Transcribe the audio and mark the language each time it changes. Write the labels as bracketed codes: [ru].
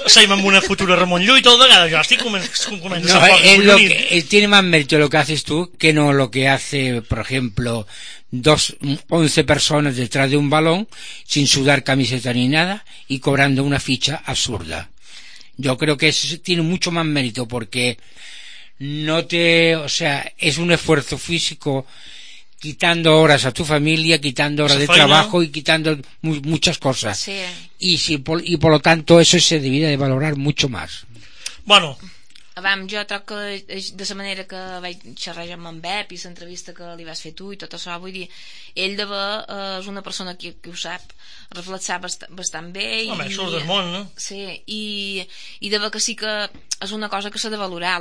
[ca] Seguim amb una futura Ramon Llull, tota vegada, jo estic començant... [es] No, tiene más mérito lo que haces tú, que no lo que hace, por ejemplo... 11 personas detrás de un balón sin sudar camiseta ni nada y cobrando una ficha absurda. Yo creo que eso tiene mucho más mérito porque es un esfuerzo físico, quitando horas a tu familia, quitando horas de trabajo y quitando muchas cosas. Sí. Y por lo tanto eso se debería de valorar mucho más. Bueno, [ca] abans, jo troc que de la manera que vaig xerrar amb en Pep i l'entrevista que li vas fer tu i tot això, vull dir, ell de bé és una persona que ho sap reflexar bastant bé. Home, això és del món, no? Sí, i de bé que sí que és una cosa que s'ha de valorar.